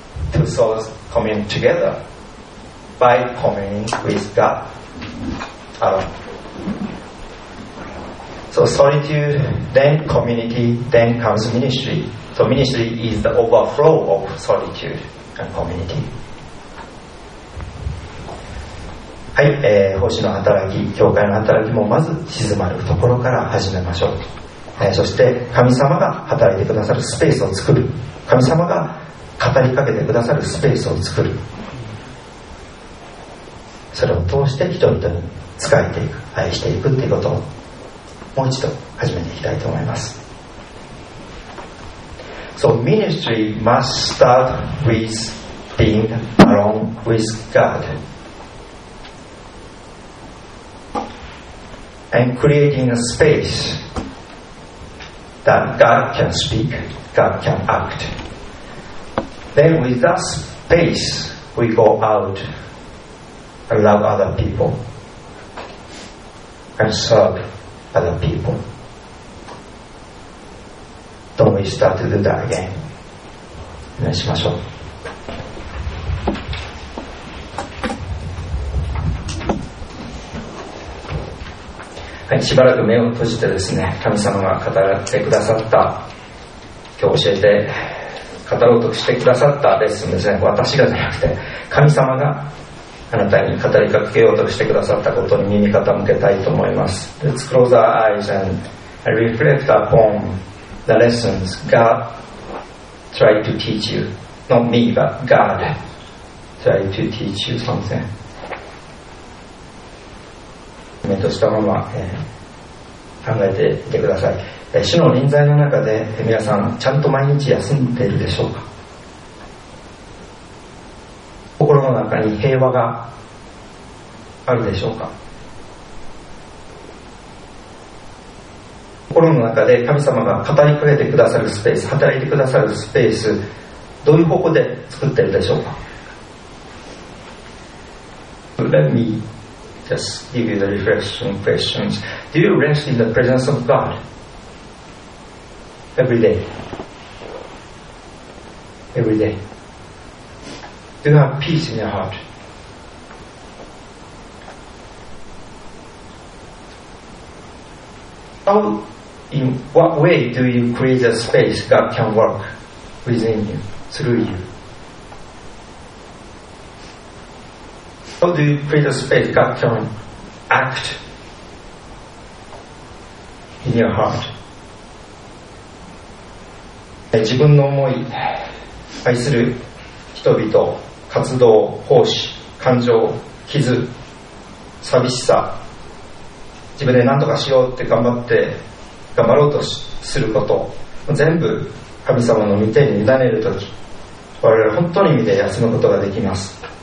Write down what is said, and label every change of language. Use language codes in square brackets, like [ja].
[en] Two souls commune together. By communing with God alone. So solitude, then community, then comes ministry. So ministry is the overflow of solitude and community. [ja] はい、奉仕の働き、教会の働きもまず静まるところから始めましょう。そして神様が働いてくださるスペースを作る。神様が語りかけてくださるスペースを作る。それを通して人々に仕えていく、愛していくということをもう一度始めていきたいと思います。 [en] So ministry must start with being alone with God and creating a space that God can speak, God can act. Then with that space we go outLove other people and serve other people. Don't we start to do that again? [ja] お願いしましょう。はい、しばらく目を閉じてですね、神様が語ってくださった、今日教えて語ろうとしてくださったレッスンですね、私がじゃなくて神様があなたに語りかけようとしてくださったことに耳傾けたいと思います。 [en] Let's close our eyes and reflect upon the lessons God tried to teach you. Not me, but God tried to teach you something. [ja] 目としたまま、考えてみてください。主の臨在の中で皆さん、ちゃんと毎日休んでいるでしょうか。心の中に平和があるでしょうか。心の中で神様が語りかけてくださるスペース、働いてくださるスペース、どういう方向で作っているでしょうか。 [en] Let me just give you the reflection questions. Do you rest in the presence of God every day? Every day. Do you have peace in your heart? How, in what way do you create a space God can work within you, through you? How do you create a space God can act in your heart? [ja] 自分の思い、愛する人々活動、奉仕、感情、傷、寂しさ、自分で何とかしようって頑張って頑張ろうとすること、全部神様の御手に委ねるとき、我々は本当に御手で休むことができます。